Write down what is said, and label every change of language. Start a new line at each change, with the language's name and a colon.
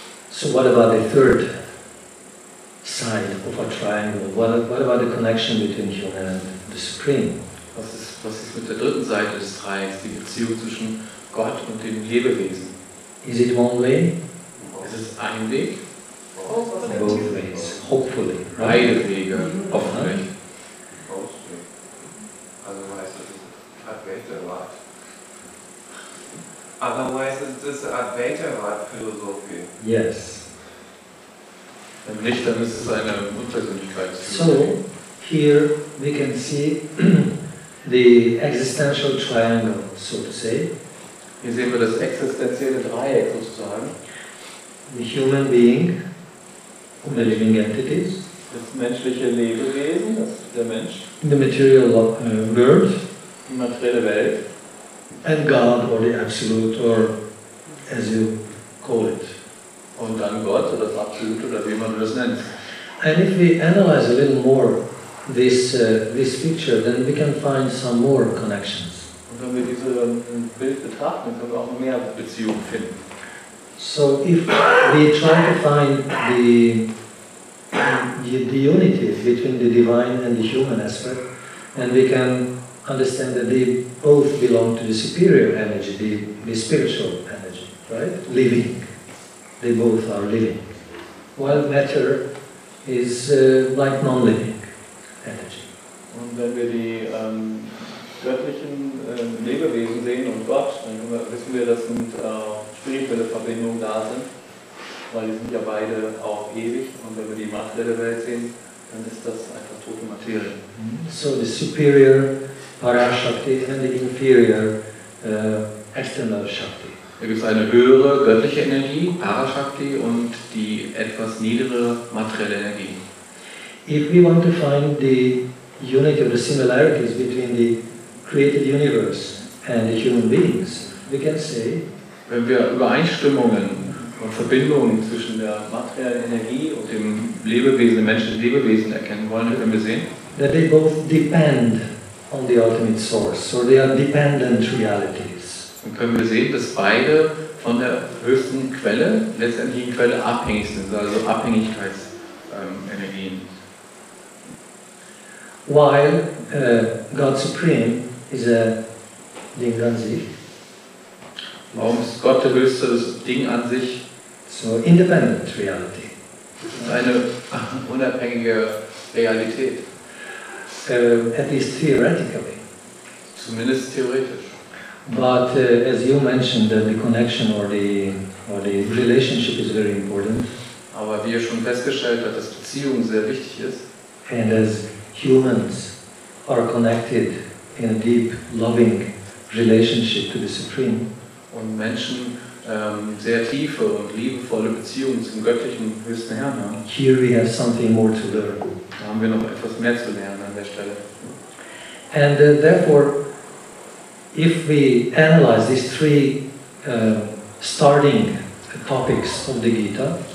English: So what about the third side of a triangle? What about the connection between human and the Supreme?
German: Was ist mit der dritten Seite des Dreiecks, die Beziehung zwischen Gott und dem Lebewesen?
English: Is it one way?
German: Ist es ein Weg?
English: Both ways, hopefully.
German: Beide Wege, hoffentlich. Also heißt es Advaita-Vad.
English: Otherwise is this Advaita-Vad-Philosophie. Yes.
German: Wenn nicht, dann ist es eine Unpersönlichkeit.
English: So, here we can see the existential triangle, so to say.
German: Hier sehen wir das existenzielle Dreieck, sozusagen.
English: The human being, the living entities.
German: Das menschliche Lebewesen, das ist der Mensch.
English: The material world.
German: Die materielle Welt.
English: And God, or the absolute, or as you call it.
German: Und dann Gott, oder das Absolute, oder wie man das nennt.
English: And if we analyze a little more this picture, then we can find some more connections.
German: Und wenn wir diese Bild betrachten, können wir auch mehr Beziehungen finden.
English: So if we try to find the unity between the divine and the human aspect, then we can understand that they both belong to the superior energy, the spiritual energy, right? Living. They both are living. While matter is like non-living energy.
German: Und wenn wir die göttlichen Lebewesen sehen und Gott, dann wissen wir, dass sind spirituelle Verbindungen da sind, weil die sind ja beide auch ewig. Und wenn wir die materielle Welt sehen, dann ist das einfach tote Materie.
English: So the superior Parashakti and the inferior external Shakti.
German: Da gibt es eine höhere göttliche Energie, Parashakti, und die etwas niedere materielle Energie.
English: If we want to find the unity or the similarities between the created universe and the human beings, we can say,
German: wenn wir Übereinstimmungen und Verbindungen zwischen der materiellen Energie und dem Lebewesen, dem menschlichen Lebewesen erkennen wollen, können wir sehen,
English: that they both depend on the ultimate source, so they are dependent realities.
German: Dann können wir sehen, dass beide von der höchsten Quelle, letztendlichen Quelle, abhängig sind, also Abhängigkeitsenergien.
English: While God Supreme is a Ding an sich.
German: Warum ist Gott der höchste Ding an sich?
English: So independent reality.
German: Eine unabhängige Realität.
English: At least theoretically.
German: Zumindest theoretisch.
English: But as you mentioned, the connection or the relationship is very important.
German: Aber wie ihr schon festgestellt habt, dass Beziehung sehr wichtig ist.
English: And as humans are connected in a deep, loving relationship to the Supreme.
German: Und Menschen sehr tiefe und liebevolle Beziehungen zum göttlichen höchsten Herrn haben.
English: Here we have something more to learn.
German: Da haben wir noch etwas mehr zu lernen an der Stelle.
English: And therefore, if we analyze these three starting topics of the Gita,